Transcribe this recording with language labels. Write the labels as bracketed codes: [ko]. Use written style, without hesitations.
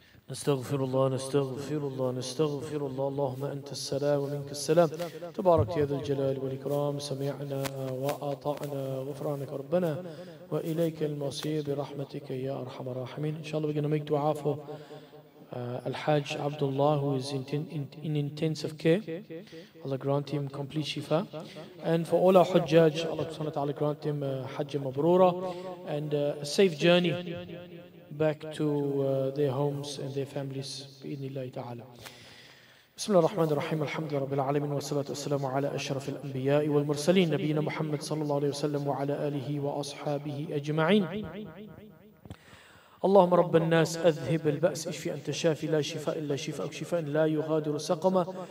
[ar] نستغفر الله نستغفر الله نستغفر الله. اللهم أنت السلام ومنك السلام، تبارك يا ذا الجلال والإكرام، سمعنا وأطعنا، غفرانك ربنا وإليك المصير برحمتك يا أرحم الراحمين. [en] إن شاء الله we're gonna make dua for Al-Hajj Abdullah, who is in intensive care. Allah grant him complete shifa. And for all our hujjaj, Allah subhanahu wa ta'ala grant him hajj mabrura and a safe journey back to their homes and their families. [ar] Bi-idhnillahi ta'ala. بسم الله الرحمن الرحيم. الحمد لله رب العالمين، والصلاة والسلام على أشرف الأنبياء والمرسلين، نبينا محمد صلى الله عليه وسلم وعلى آله وأصحابه أجمعين. اللهم رب الناس أذهب البأس، اشفي أنت شافي، لا شفاء إلا شفاءك، شفاء لا يغادر سقما.